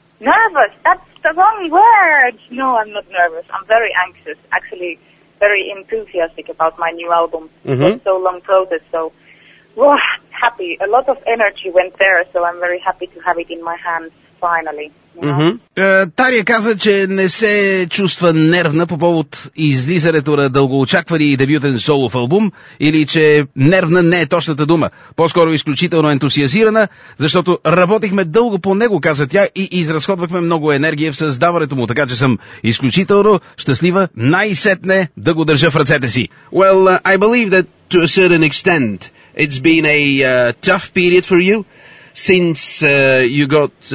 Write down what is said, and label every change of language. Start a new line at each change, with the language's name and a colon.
English: Nervous? That's the wrong word. No, I'm not nervous. I'm very anxious. Actually, very enthusiastic about my new album. Mm-hmm. So long process. So, happy. A lot of energy went there, so I'm very happy to have it in my hands, finally.
Bulgarian: Тария каза, че не се чувства нервна по повод излизането на дългоочаквани дебютен солов албум, или че нервна не е точната дума. По-скоро изключително ентусиазирана, защото работихме дълго по него, каза тя, и изразходвахме много енергия в създаването му, така че съм изключително щастлива най-сетне да го държа в ръцете си.
English: Well, I believe that to a certain extent it's been a tough period for you since you got...